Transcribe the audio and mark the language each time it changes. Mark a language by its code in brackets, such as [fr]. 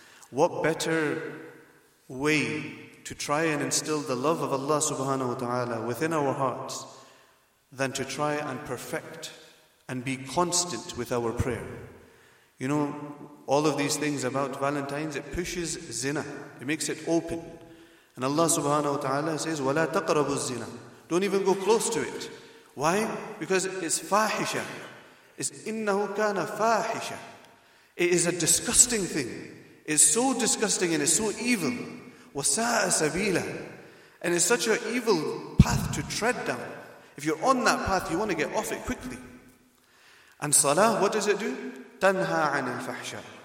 [en] What better way to try and instill the love of Allah subhanahu wa ta'ala within our hearts than to try and perfect and be constant with our prayer? You know, all of these things about Valentine's, it pushes zina. It makes it open. And Allah subhanahu wa ta'ala says, [ar] وَلَا تَقْرَبُوا الزِّنَا. [en] Don't even go close to it. Why? Because it's fahisha. [ar] It's إِنَّهُ كَانَ فَاحِشَ. [en] It is a disgusting thing. It's so disgusting and it's so evil. [ar] وَسَاءَ سَبِيلًا. [en] And it's such an evil path to tread down. If you're on that path, you want to get off it quickly. And salah, what does it do? [ar] تَنْهَا عَنِ الْفَحْشَى.